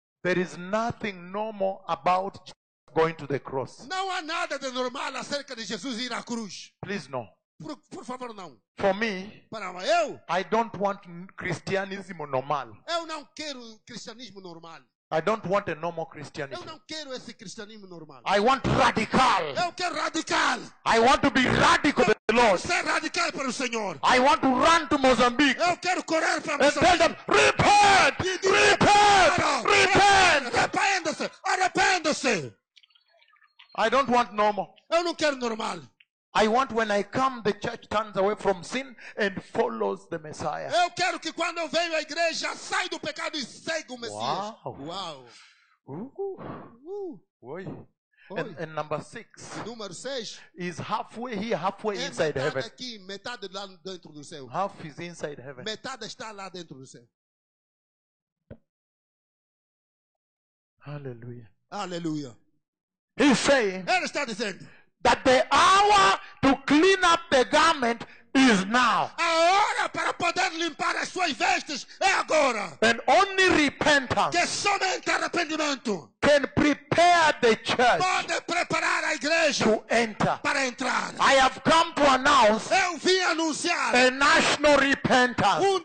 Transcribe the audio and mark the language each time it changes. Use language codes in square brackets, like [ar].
[en] There is nothing normal about going to the cross. [pt] Não há nada de normal acerca de Jesus ir à cruz. [en] Please no. [pt] por favor, não. [en] For me, [pt] para eu, [en] I don't want Christianism normal. [pt] Eu não quero cristianismo normal. [en] I don't want a normal Christianity. [pt] Eu não quero esse cristianismo normal. [en] I want radical. [pt] Eu quero radical. [en] I want to be radical to the Lord. [pt] Ser radical para o Senhor. [en] I want to run to Mozambique. [pt] Eu quero correr para Mozambique. [en] And tell them, repent! Repent! Repent! [pt] Arrependa-se! Arrependa-se! [en] I don't want normal. [pt] Eu não quero normal. [en] I want when I come, the church turns away from sin and follows the Messiah. [pt] Eu quero que quando eu venho à igreja, saia do pecado e segue o Messias. Wow. Wow. [en] Oi. And number six. [pt] Número 6. [en] Is halfway here, halfway inside heaven. [pt] Aqui, metade lá dentro do céu. [en] Half is inside heaven. [pt] Metade está lá dentro do céu. Hallelujah. Hallelujah. [en] He's saying. [pt] Ele está dizendo. [en] That the hour to clean up the garment is now. [pt] A hora para poder limpar as suas vestes é agora. [en] And only repentance. [pt] Que somente arrependimento. [en] Can prepare the church. [pt] Pode preparar a igreja. [en] To enter. [pt] Para entrar. [en] I have come to announce. [pt] Eu vim anunciar. [en] A national repentance.